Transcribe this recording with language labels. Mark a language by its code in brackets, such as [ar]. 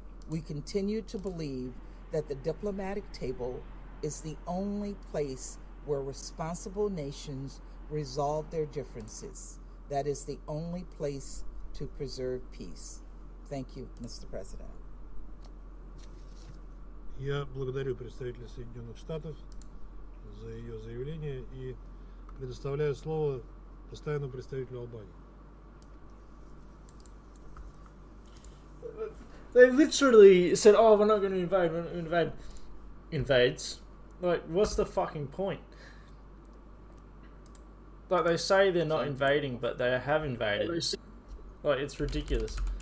[en] We continue to believe that the diplomatic table is the only place where responsible nations resolve their differences. That is the only place to preserve peace. Thank you, Mr. President. [ru] Я благодарю представителя Соединенных Штатов за ее заявление и предоставляю слово постоянному представителю Албании. [en] They literally said, oh, we're not going to invade, we're not going to invade. Invades. Like, what's the fucking point? Like, they say they're not invading, but they have invaded. Like, it's ridiculous.